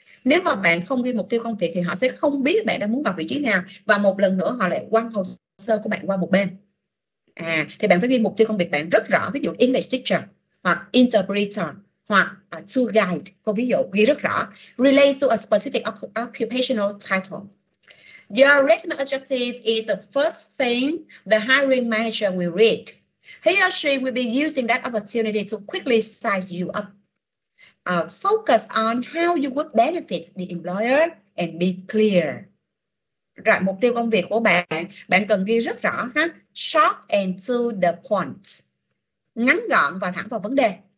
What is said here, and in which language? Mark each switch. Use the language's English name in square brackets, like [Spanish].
[Vietnamese] Nếu mà bạn không ghi mục tiêu công việc thì họ sẽ không biết bạn đang muốn vào vị trí nào, và một lần nữa họ lại quăng hồ sơ của bạn qua một bên. Thì bạn phải ghi mục tiêu công việc bạn rất rõ, ví dụ English teacher hoặc interpreter hoặc tour guide, có ví dụ ghi rất rõ. [English] Relate to a specific occupational title. Your resume objective is the first thing the hiring manager will read. He or she will be using that opportunity to quickly size you up. Focus on how you would benefit the employer and be clear. [Vietnamese] Rồi, mục tiêu công việc của bạn, bạn cần ghi rất rõ ha. [English] Short and to the point. [Vietnamese] Ngắn gọn và thẳng vào vấn đề.